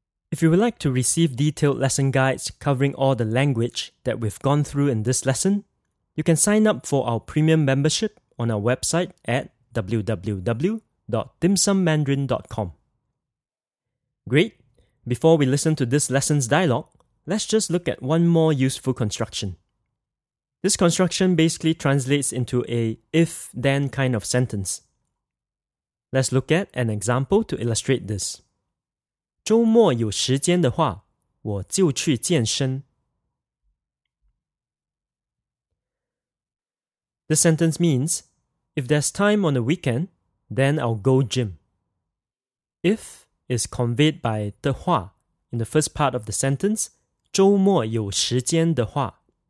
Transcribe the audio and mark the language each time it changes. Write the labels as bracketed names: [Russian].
[English] If you would like to receive detailed lesson guides covering all the language that we've gone through in this lesson, you can sign up for our premium membership on our website at www.dimsummandarin.com. Great! Before we listen to this lesson's dialogue, let's just look at one more useful construction. This construction basically translates into a if-then kind of sentence. Let's look at an example to illustrate this. [Chinese] 周末有时间的话，我就去健身。 [English] This sentence means, if there's time on the weekend, then I'll go gym. If is conveyed by 的话 in the first part of the sentence, [Chinese] 周末有时间的话。